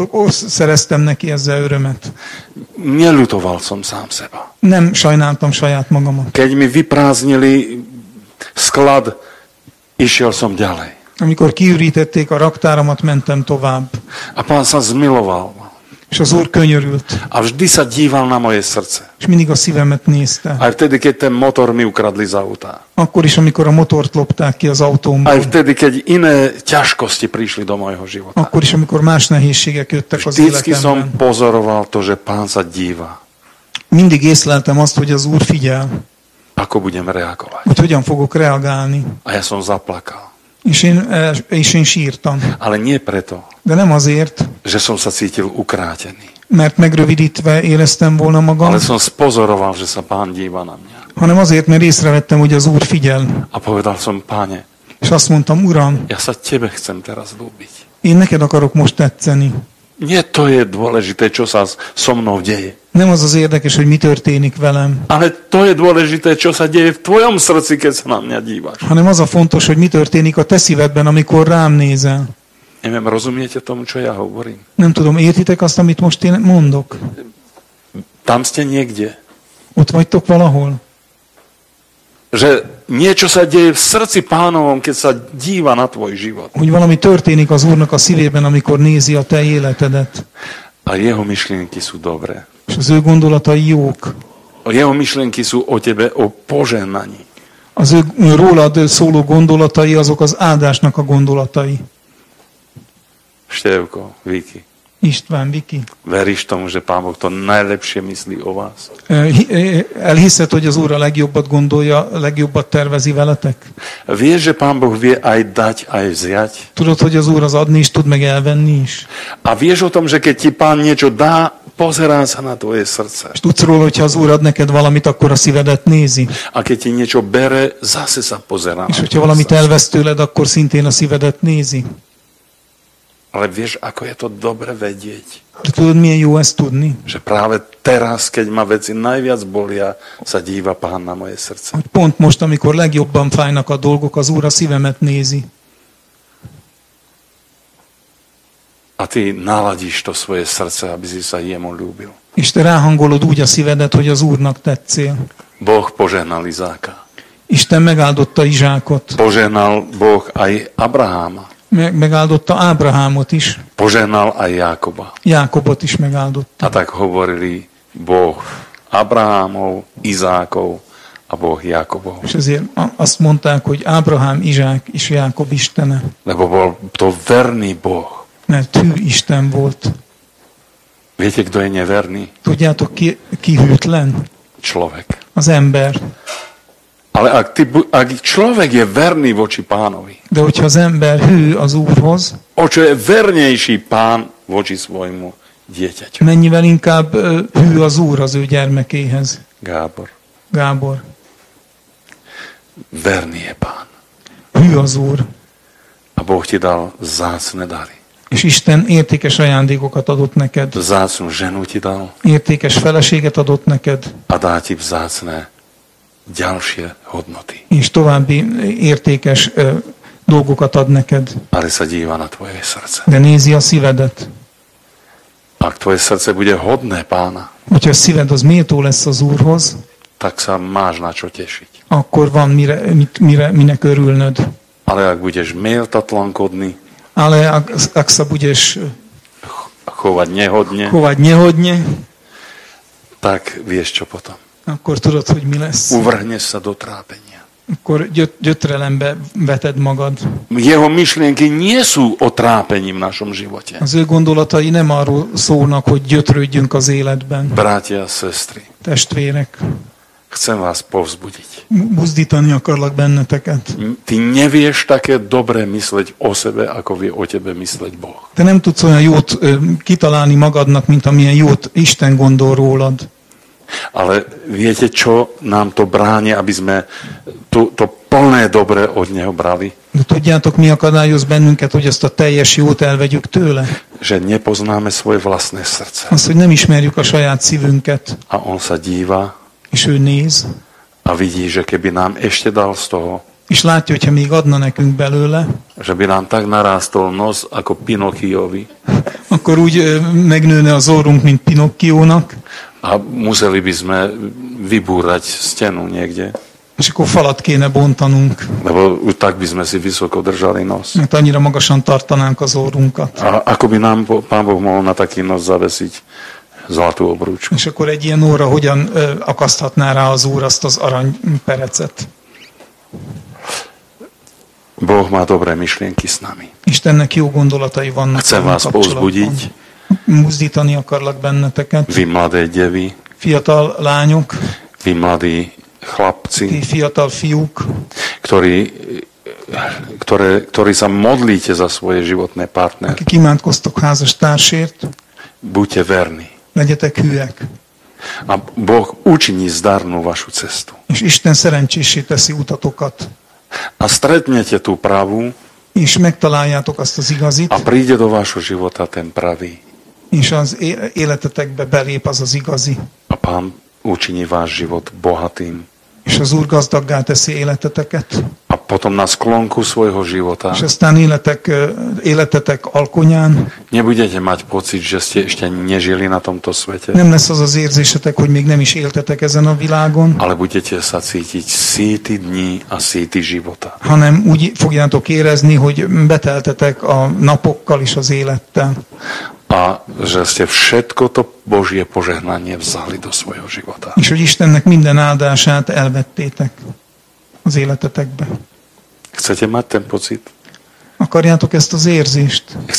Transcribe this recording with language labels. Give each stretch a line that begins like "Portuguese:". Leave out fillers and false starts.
Hungarian: Szereztem neki ezzel örömet.
Slovak: Neľutoval som sám seba.
Hungarian: Nem sajnáltam saját magamat.
Slovak: Keď mi vyprázdnili sklad, išiel som ďalej.
Hungarian: Amikor kiürítették a raktáramat, mentem tovább.
Slovak: A pán sa zmiloval.
Hungarian: És az Úr könyörült.
Slovak: A vždy sa díval na moje srdce.
Hungarian: És mindig a szívemet nézte.
Slovak: Aj vtedy, keď ten motor mi ukradli z autá.
Hungarian: Akkor is, amikor a motort lopták ki az autómból.
Slovak: Aj vtedy, keď iné ťažkosti prišli do mojho života.
Hungarian: Akkor is, amikor más nehézségek jöttek
Slovak: vždycky
Hungarian: az életemben.
Slovak: Vždycky som pozoroval to, že pán sa díva.
Hungarian: Mindig észleltem azt, hogy az Úr figyel.
Slovak: Ako budem reagovať?
Hungarian: Hogy hogyan fogok reagálni?
Slovak: A ja som zaplakal.
Hungarian: És én sírtam.
Slovak: Ale nie preto.
Hungarian: De nem azért.
Slovak: Že som sa cítil ukrátený.
Hungarian: Mert megrövidítve éreztem volna magam.
Slovak: Ale som spozoroval, že sa pán díva na mňa.
Hungarian: Hanem azért, mert észrevettem, hogy az Úr figyel.
Slovak: A povedal som, páne.
Hungarian: És azt mondtam, uram.
Slovak: Ja sa tebe chcem teraz lúbiť.
Hungarian: Én neked akarok most tetszeni.
Slovak: Nie to je dôležité, čo sa so mnou deje.
Hungarian: Nem az az érdekes, hogy mi történik velem.
Slovak: Ale to je dôležité, čo sa deje v tvojom srdci, keď sa na mňa díváš.
Hungarian: Hanem az a fontos, hogy mi történik a te szívedben, amikor rám nézel.
Slovak: Neviem, rozumiete tomu, čo ja hovorím?
Hungarian: Nem tudom, értitek azt, amit most én mondok?
Slovak: Tam ste niekde.
Hungarian: Ott vagytok valahol?
Slovak: že niečo sa deje v srdci Pánovom, keď sa díva na tvoj život.
Hungarian: Hogy valami történik az Úrnak a szívében, amikor nézi a te életedet.
Slovak: A jeho myšlienky sú dobré.
Hungarian: És az ő gondolatai jók.
Slovak: A jeho myšlienky sú o tebe, o požehnaní.
Hungarian: Az ő rólad szóló gondolatai, azok az áldásnak a gondolatai.
Slovak: Števko, Viki.
Hungarian: István, Viki.
Slovak: Veríš tomu, že Pán Boh to najlepšie myslí o vás?
Hungarian: Elhiszed, hogy az Úr a legjobbat gondolja, legjobbat tervezi veletek?
Slovak: Vieš, že Pán Boh vie aj dať, aj vziať?
Hungarian: Tudod, hogy az Úr az adni is tud, meg elvenni is?
Slovak: A vieš o tom, že keď ti Pán niečo dá, pozerá sa na tvoje srdce.
Hungarian: És tudsz róla, hogyha az Úr ad neked valamit, akkor a szívedet nézi.
Slovak: A keď ti niečo bere, zase sa pozerá.
Hungarian: És hogyha valamit elvesz tőled, akkor szintén a szívedet nézi.
Slovak: Ale vieš, ako je to dobre vedieť.
Hungarian: Tudod, mi je jó ezt tudni.
Slovak: Že práve teraz, keď ma veci najviac bolia, sa díva Pán na moje srdce.
Hungarian: Hogy pont most, amikor legjobban fájnak a dolgok, az Úr a szívemet nézi.
Slovak: A ty naladíš to svoje srdce, aby si sa jemu ľúbil.
Hungarian: És te ráhangolod úgy a szívedet, hogy az Úrnak tetszél.
Slovak: Boh požehnal Izáka.
Hungarian: Isten megáldotta Izsákot.
Slovak: Požehnal Boh aj Abraháma.
Hungarian: Megáldotta Ábrahámot is.
Slovak: Požehnal aj Jákoba.
Hungarian: Jákobot is megáldotta.
Slovak: A tak hovorili Boh Abrahámov, Izákov a Boh Jákobov.
Hungarian: És ezért azt mondták, hogy Ábrahám, Izsák és Jákob istene.
Slovak: Lebo bol to verný Boh.
Hungarian: Mert hű Isten volt.
Slovak: Viete, kto je neverný?
Hungarian: Tudjátok, ki hűtlen?
Slovak: Človek.
Hungarian: Az ember.
Slovak: Ale ak človek je verný voči Pánovi.
Hungarian: De hogyha az ember hű az Úrhoz.
Slovak: O čo je vernejší Pán voči svojmu dieťaťu.
Hungarian: Mennyivel inkább hű az Úr az ő gyermekéhez.
Slovak: Gábor.
Hungarian: Gábor.
Slovak: Verný je Pán.
Hungarian: Hű az Úr.
Slovak: A Boh ti dal zácne dary.
Hungarian: És Isten értékes ajándékokat adott neked.
Slovak: Zácnu ženu ti dal.
Hungarian: Értékes feleséget adott neked.
Slovak: A dá ti zácne ďalšie hodnoty.
Hungarian: És további értékes dolgokat ad neked.
Slovak: Ale sa díva na tvoje srdce.
Hungarian: De nézi a szívedet.
Slovak: Ak tvoje srdce bude hodné Pána.
Hungarian: Hogyha a szíved az méltó lesz az Úrhoz.
Slovak: Tak sa máš na čo tešiť.
Hungarian: Akkor van minek örülnöd.
Slovak: Ale ak budeš méltatlankodný. Ale ak sa budeš chovať nehodne. Chovať nehodne. Tak vieš čo potom.
Hungarian: Akkor tudod, hogy mi lesz.
Slovak: Uvrhneš sa do trápenia.
Hungarian: Akkor gyötrelembe veted magad.
Slovak: Jeho myšlienky nie sú o trápení v našom živote.
Hungarian: Az ő gondolatai nem arról szólnak, hogy gyötrődjünk az életben.
Slovak: Bratia a sestry.
Hungarian: Testvérek.
Slovak: Chcem vás povzbudiť.
Hungarian: Buzdítani akarlak benneteket.
Slovak: Ty nevieš také dobre mysleť o sebe, ako vie o tebe mysleť Boh.
Hungarian: Te nem tudsz olyan jót kitalálni magadnak, mint amilyen jót Isten gondol rólad.
Slovak: Ale viete, čo nám to bráni, aby sme to plné dobre od neho brali?
Hungarian: No, tudjátok, mi akadályoz bennünket, hogy ezt a teljes jót elvegyük tőle?
Slovak: Že nepoznáme svoje vlastné srdce.
Hungarian: Azt, hogy nem ismerjük a saját szívünket.
Slovak: A on sa díva.
Hungarian: És ő néz.
Slovak: A vidí, že keby nám ešte dal z toho.
Hungarian: És látja, hogyha még adna nekünk belőle.
Slovak: Že by nám tak narástol nos, ako Pinokiovi.
Hungarian: Akkor úgy megnőne az orrunk, mint Pinokionak.
Slovak: A museli by sme vybúrať stenu niekde.
Hungarian: És akkor falat kéne bontanunk.
Slovak: Lebo tak by sme si vysoko držali nos.
Hungarian: Mert annyira magasan tartanánk az orrunkat.
Slovak: A ako by nám Pán Boh mohol na taký nos zavesiť zlatú obrúčku.
Hungarian: És akkor egy ilyen óra hogyan akaszthatná rá az Úr azt az aranyperecet?
Slovak: Boh má dobré myšlienky s nami.
Hungarian: Istennek jó gondolatai vannak.
Slovak: Chcem vás povzbudiť.
Hungarian: Muzdítani akarlak benneteket.
Slovak: Vy mladé devy.
Hungarian: Fiatal lányok.
Slovak: Vy mladí chlapci.
Hungarian: Vy fiatal fiúk.
Slovak: Ktorí sa modlíte za svoje životné partnery.
Hungarian: Akik imádkoztok házastársért.
Slovak: Buďte verní.
Hungarian: Legyetek hűek.
Slovak: A Boh učiní zdarnú vašu cestu.
Hungarian: És Isten szerencsésé teszi utatokat.
Slovak: A stretnete tú pravú.
Hungarian: És megtaláljátok azt az igazit.
Slovak: A príde do vášho života ten pravý.
Hungarian: És az életetekbe belép az az igazi.
Slovak: A Pán učiní váš život bohatým.
Hungarian: És az Úr gazdaggá teszi életeteket.
Slovak: A potom na sklonku svojho života.
Hungarian: Že staníletek életetek alkonyán.
Slovak: Nebudete mať pocit, že ste ešte nežili na tomto svete.
Hungarian: Nem lesz az az érzésetek, hogy még nem is éltetek ezen a világon.
Slovak: Ale budete sa cítiť síti dní a síti života.
Hungarian: Hanem úgy fogjátok érezni, hogy beteltetek a napokkal is az élettel.
Slovak: A že ste všetko to Božie požehnanie vzali do svojho života.
Hungarian: És hogy Istennek minden áldását elvettétek az életetekbe.
Slovak: Chcete mať ten pocit?
Hungarian: Akarjátok ezt az érzést?